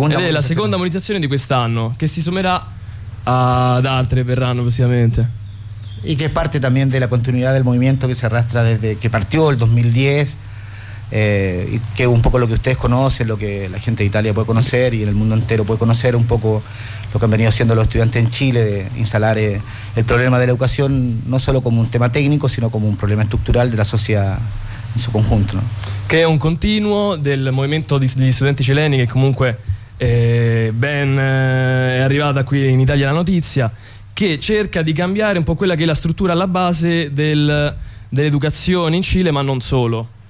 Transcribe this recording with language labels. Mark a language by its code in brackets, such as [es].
[it] La seconda mobilizzazione di quest'anno che si sommerà ad altre verranno prossimamente. [es] Y que es parte también de la continuidad del movimiento que se arrastra desde que partió el 2010, y que es un poco lo que ustedes conocen, lo que la gente de Italia puede conocer y en el mundo entero puede conocer, un poco lo que han venido haciendo los estudiantes en Chile, de instalar el problema de la educación no solo como un tema técnico, sino como un problema estructural de la sociedad en su conjunto, ¿no? Que es un continuo del movimiento [it] degli studenti cileni, que comunque è arrivata qui in Italia la notizia, che cerca di cambiare un po' quella che è la struttura alla base dell'educazione in Cile, ma non solo.